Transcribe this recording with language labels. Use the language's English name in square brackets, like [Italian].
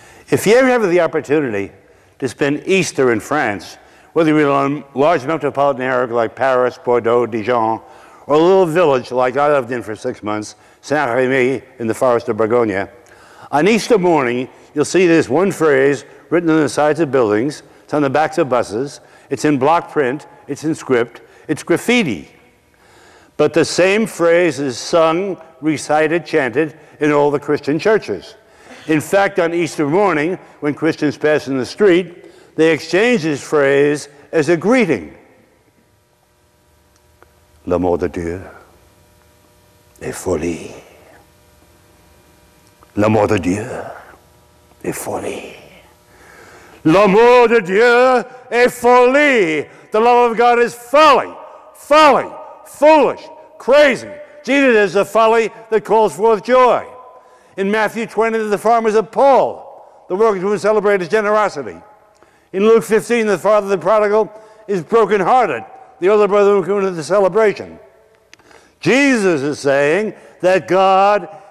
[English] If you ever have the opportunity to spend Easter in France, whether you're in a large metropolitan area like Paris, Bordeaux, Dijon, or a little village like I lived in for 6 months, [French] Saint-Rémy [English] in the forest of Bourgogne, on Easter morning, you'll see this one phrase written on the sides of buildings, it's on the backs of buses, it's in block print, it's in script, it's graffiti. But the same phrase is sung, recited, chanted in all the Christian churches. In fact, on Easter morning, when Christians pass in the street, they exchange this phrase as a greeting. [French] L'amour de Dieu est folie. L'amour de Dieu est folie. L'amour de Dieu est folie. [English] The love of God is folly, folly, foolish, crazy. Jesus is a folly that calls forth joy. In Matthew 20, the farmers appalled, the workers who celebrate his generosity. In Luke 15, the father of the prodigal is brokenhearted, the older brother who came to the celebration. Jesus is saying that God